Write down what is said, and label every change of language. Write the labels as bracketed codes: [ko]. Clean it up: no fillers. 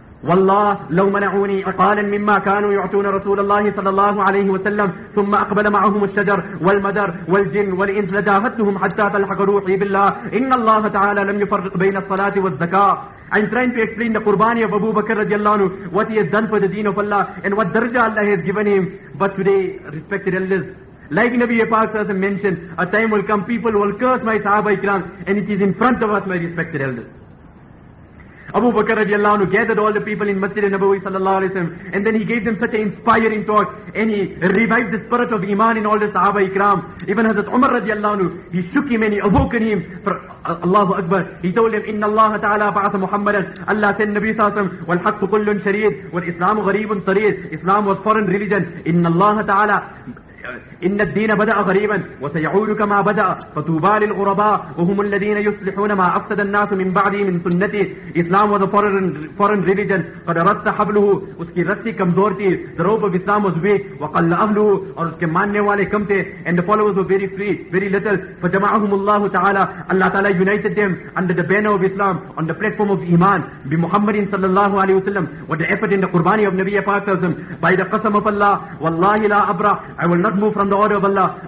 [ar] والله لو منعوني أقالا مما كانوا يعطون رسول الله صلى الله عليه وسلم ثم أقبل معهم الشجر والمدر والجن والإنس لجاهدتهم حتى تلحق روحي بالله إن الله تعالى لم يفرق بين الصلاة والزكاة. [en] I'm trying to explain the qurbani of Abu Bakr radiallahu anhu, what he has done for the deen of Allah and what darja Allah has given him. But today, respected elders, like Nabi Pak has mentioned, a time will come people will curse my sahaba ikram, and it is in front of us, my respected elders. Abu Bakr radiallahu anhu gathered all the people in Masjid al-Nabawi sallallahu alayhi wa sallam, and then he gave them such an inspiring talk, and he revived the spirit of iman in all the sahaba ikram. Even Hazrat Umar radiallahu anhu, he shook him and he awoken him for Allahu Akbar. He told him, [ar] inna Allah ta'ala ba'atha Muhammadan, [en] Allah send Nabi sallallahu alayhi wa sallam, [ar] wal haqqu kullun shariid, wal islamu gharibun tariid, [en] Islam was foreign religion. [ar] Inna Allah ta'ala, إن الدين بدأ غريبا وسيعود كما بدأ فطوبى للغرباء وهم الذين يصلحون ما أفسد الناس من بعدي من سنتي. [en] Islam was a foreign religion. [ar] قد رست حبله, [ur] اس کی رسی کمزور تھی. [en] The rope of Islam was weak. [ar] وقل أهله, [ur] اور اس کے ماننے والے کم تھے. [en] And the followers were very free, very little. [ar] فجمعهم الله تعالى, [en] Allah تعالى united them under the banner of Islam, on the platform of Iman, [ar] بمحمد صلى الله عليه وسلم, [en] with the effort and the قرباني of نبي پاک صلى الله عليه وسلم. By the قسم of Allah, [ar] والله لا أبرح, [en] I will not move from the order of Allah.